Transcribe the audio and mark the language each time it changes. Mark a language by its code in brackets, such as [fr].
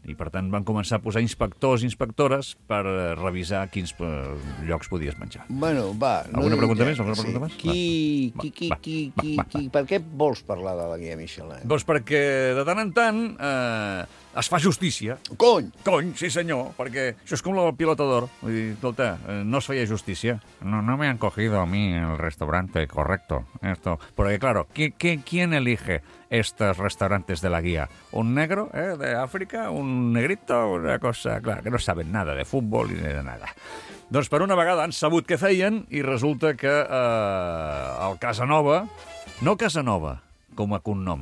[ca] I, per tant, van començar a posar inspectors i inspectores per revisar quins llocs podies menjar. Bueno, va. Alguna pregunta més? Alguna pregunta més? Qui, per què vols parlar de la guia Michelin? Doncs perquè, de tant en tant, es fa justícia. Cony! Cony, sí senyor, perquè això és com el pilotador. Vull dir, escolta, no es feia justícia. [es] No me han cogido a mí el restaurante correcto. Esto. Porque, claro, ¿quién elige estos restaurantes de la guía? ¿Un negro de África? ¿Un negrito? Una cosa, claro, que no saben nada de fútbol ni de nada. [ca] Doncs per una vegada han sabut què feien i resulta que el Casanova, no Casanova, com a cognom.